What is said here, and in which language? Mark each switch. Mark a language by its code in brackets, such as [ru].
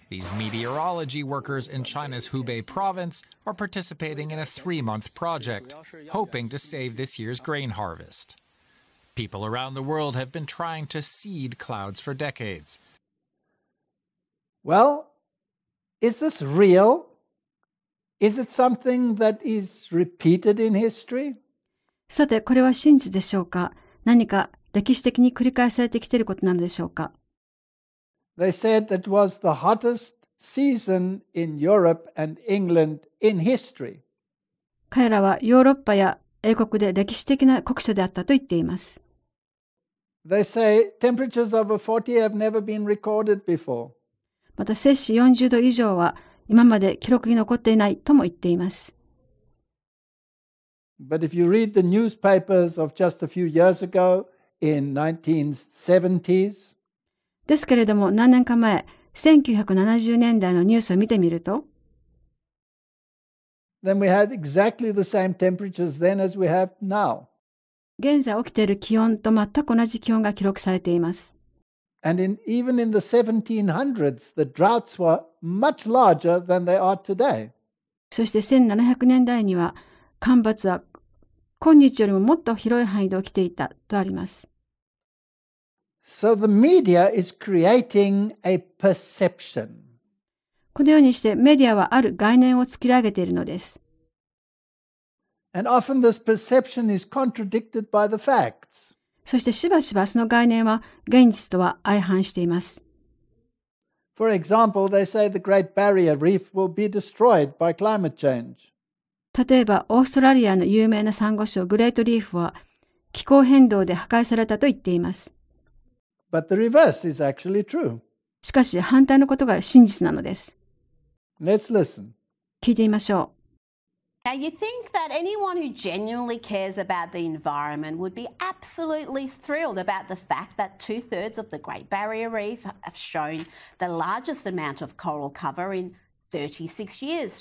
[en] These meteorology workers in China's Hubei province are participating in a three-month project, hoping to save this year's grain harvest. People around the world have been trying to seed clouds for decades. Well, is this real? Is it something that is repeated in history? [ja] さて、これは真実でしょうか？何か歴史的に繰り返されてきていることなのでしょうか。 [en] They said that was the hottest season in Europe and England in history. [ja] 彼らはヨーロッパや英国で歴史的な酷暑であったと言っています。 [en] They say temperatures over 40 have never been recorded before. [ja] また摂氏40度以上は今まで記録に残っていないとも言っています。 [en] But if you read the newspapers of just a few years ago, [ja] ですけれども、何年か前、1970年代のニュースを見てみると、 [en] Then we had exactly the same temperatures then as we have now. [ja] 現在起きている気温と全く同じ気温が記録されています。 [en] And even in the 1700s, the droughts were much larger than they are today. [ja] そして1700年代には、干ばつは今日よりももっと広い範囲で起きていたとあります。 [en] So the media is creating a perception. [ja] このようにしてメディアはある概念を作り上げているのです。 [en] And often this perception is contradicted by the facts. [ja] そしてしばしばその概念は現実とは相反しています。 [en] For example, they say the Great Barrier Reef will be destroyed by climate change. [ja] 例えばオーストラリアの有名なサンゴ礁グレートリーフは気候変動で破壊されたと言っています。 [en] But the reverse is actually true. [ja] しかし反対のことが真実なのです。 [en] Let's listen. [ja] 聞いてみましょう。 [en] Now you think that anyone who genuinely cares about the environment would be absolutely thrilled about the fact that two-thirds of the Great Barrier Reef have shown the largest amount of coral cover in 36 years.